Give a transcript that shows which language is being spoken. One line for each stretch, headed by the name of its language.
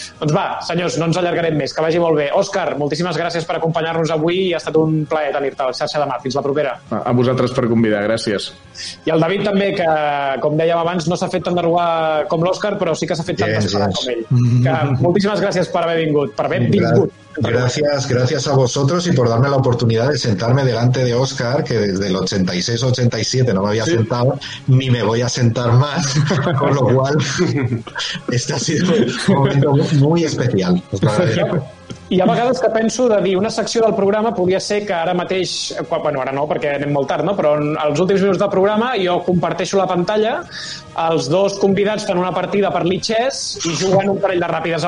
Catalan: Doncs va, senyors, no ens allargarem més, que vagi molt bé. Òscar, moltíssimes gràcies per acompanyar-nos avui i ha estat un plaer tenir-te a la xarxa demà. Fins la propera. A vosaltres per convidar, gràcies. I el David també, que, com dèiem abans, no s'ha fet tan derogar com l'Òscar, però sí que s'ha fet tan desfadar com ell. Que moltíssimes gràcies per haver vingut, per haver vingut.
Spanish: Gracias a vosotros y por darme la oportunidad de sentarme delante de Óscar, que desde el 86-87 no me había sentado, ni me voy a sentar más, con lo cual este ha sido un momento muy especial.
Catalan: Hi ha vegades que penso de dir una secció del programa podria ser que ara mateix, bueno, ara no, perquè anem molt tard, no? Però als últims minuts del programa jo comparteixo la pantalla, els dos convidats fan una partida per l'Itxès i juguen un parell de ràpides.